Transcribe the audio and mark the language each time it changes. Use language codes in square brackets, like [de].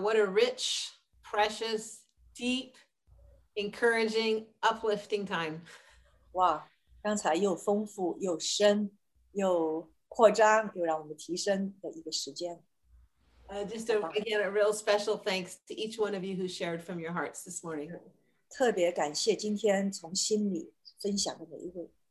[en] What a rich, precious, deep, encouraging, uplifting time. Wow. [zh] 刚才又丰富又深又扩张又让我们提升的一个时间. [en] Again, a real special thanks to each one of you who shared from your hearts this morning. [zh] 特别感谢今天从心里分享的每一位.